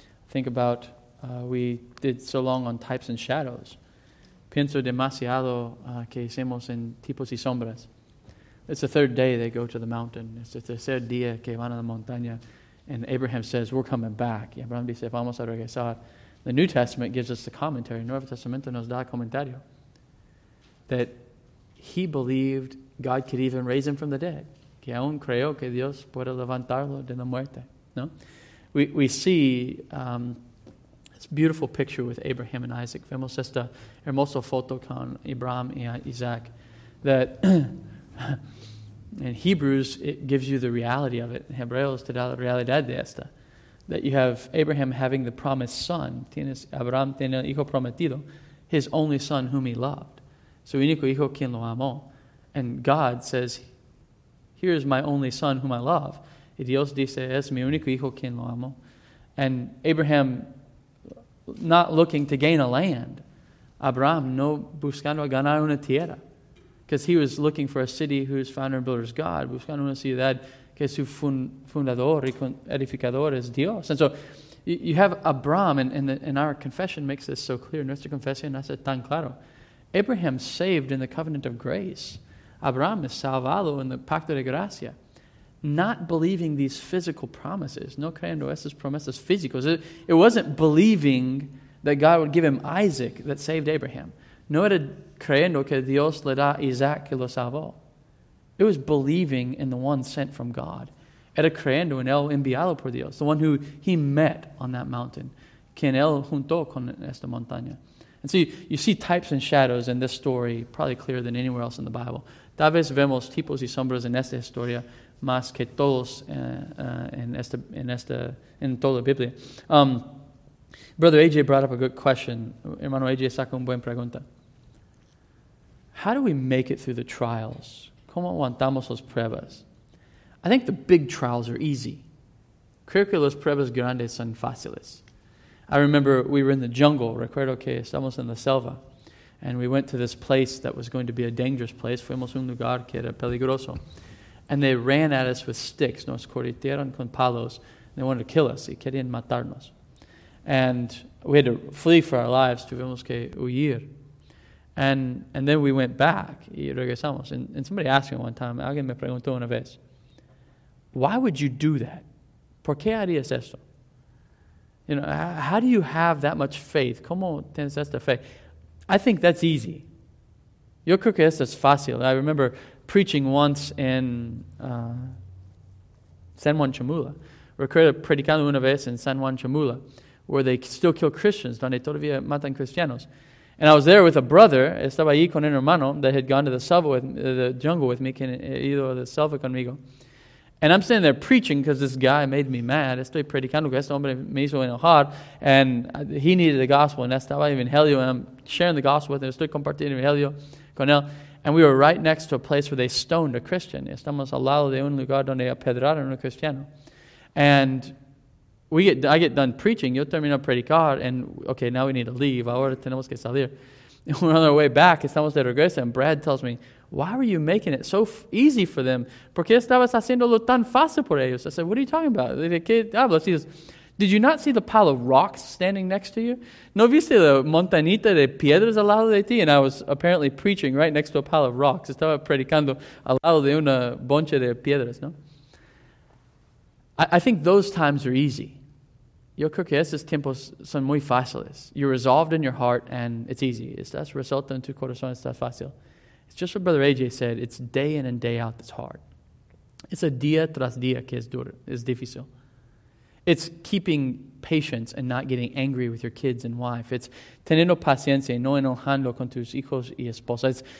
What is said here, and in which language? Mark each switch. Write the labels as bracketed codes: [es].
[en] Think about, we did so long on types and shadows. [es] Pienso demasiado que hicimos en tipos y sombras. [en] It's the third day they go to the mountain. It's the [es] tercer día que van a la montaña. [en] And Abraham says, we're coming back. [es] Y Abraham dice, vamos a regresar. [en] The New Testament gives us the commentary. [es] El Nuevo Testamento nos da comentario. [en] That he believed God could even raise him from the dead. [es] Que aún creyó que Dios puede levantarlo de la muerte. No? [en] We see this beautiful picture with Abraham and Isaac. [es] Vemos esta hermosa foto con Abraham y Isaac. [en] That in Hebrews, it gives you the reality of it. [es] En Hebreos te da la realidad de esta. [en] That you have Abraham having the promised son. [es] Tienes Abraham tiene el hijo prometido, [en] his only son whom he loved. [es] Su único hijo quien lo amó. [en] And God says, here is my only son whom I love. [es] Y Dios dice, es mi único hijo quien lo amo. [en] And Abraham not looking to gain a land. [es] Abraham no buscando a ganar una tierra. [en] Because he was looking for a city whose founder and builder is God. [es] Buscando una ciudad que su fundador y edificador es Dios. [en] And so you have Abraham, and our confession makes this so clear. [es] Nuestra confesión hace tan claro. [en] Abraham saved in the covenant of grace. Abraham is [es] salvado [en] in the [es] pacto de gracia. [en] Not believing these physical promises, [es] no creyendo esas promesas físicas. [en] It wasn't believing that God would give him Isaac that saved Abraham. [es] No era creyendo que Dios le da Isaac que lo salvó. [en] It was believing in the one sent from God. [es] Era creyendo en el enviado por Dios. [en] The one who he met on that mountain. [es] Quien él juntó con esta montaña. [en] And so you see types and shadows in this story probably clearer than anywhere else in the Bible. [es] Tal vez vemos tipos y sombras en esta historia más que todos en toda la Biblia. [en] Brother AJ brought up a good question. [es] Hermano AJ saca una buena pregunta. [en] How do we make it through the trials? [es] ¿Cómo aguantamos las pruebas? [en] I think the big trials are easy. [es] Creo que las pruebas grandes son fáciles. [en] I remember we were in the jungle. [es] Recuerdo que estamos en la selva. [en] And we went to this place that was going to be a dangerous place. [es] Fuimos a un lugar que era peligroso. [en] And they ran at us with sticks. [es] Nos corrieron con palos. [en] And they wanted to kill us. [es] Y querían matarnos. [en] And we had to flee for our lives. [es] Tuvimos que huir. [en] And then we went back [es] y regresamos. [en] And somebody asked me one time, [es] alguien me preguntó una vez, [en] why would you do that? [es] ¿Por qué harías esto? [en] You know, how do you have that much faith? [es] ¿Cómo tienes esta fe? [en] I think that's easy. [es] Yo creo que esto es fácil. [en] I remember preaching once in San Juan Chamula. [es] Recuerdo predicando una vez en San Juan Chamula, [en] where they still kill Christians, [es] donde todavía matan cristianos. [en] And I was there with a brother, [es] estaba ahí con un hermano [en] that had gone to the selva with me, the jungle with me, [es] que he ido a la selva conmigo. [en] And I'm standing there preaching because this guy made me mad. [es] Estoy predicando que este hombre me hizo enojar. [en] And he needed the gospel, and [es] estaba evangelio, [en] and I'm sharing the gospel with him. [es] Estoy compartiendo evangelio con él. [en] And we were right next to a place where they stoned a Christian. [es] Estamos al lado de un lugar donde apedraron a cristiano. [en] And I get done preaching. [es] Yo termino predicar. [en] And, okay, now we need to leave. [es] Ahora tenemos que salir. [en] And we're on our way back. [es] Estamos de regreso. [en] And Brad tells me, why were you making it so easy for them? [es] ¿Por qué estabas haciéndolo tan fácil por ellos? [en] I said, what are you talking about? [es] ¿Qué hablas? [en] He says, did you not see the pile of rocks standing next to you? [es] ¿No viste la montañita de piedras al lado de ti? [en] And I was apparently preaching right next to a pile of rocks. [es] Estaba predicando al lado de una boncha de piedras, ¿no? [en] I think those times are easy. [es] Yo creo que esos tiempos son muy fáciles. [en] You're resolved in your heart and it's easy. [es] Estás resuelto en tu corazón, estás fácil. [en] It's just what Brother AJ said. It's day in and day out that's hard. It's a [es] día tras día que es duro, es difícil. [en] It's keeping patience and not getting angry with your kids and wife. It's [es] teniendo paciencia y no enojando con tus hijos y esposa.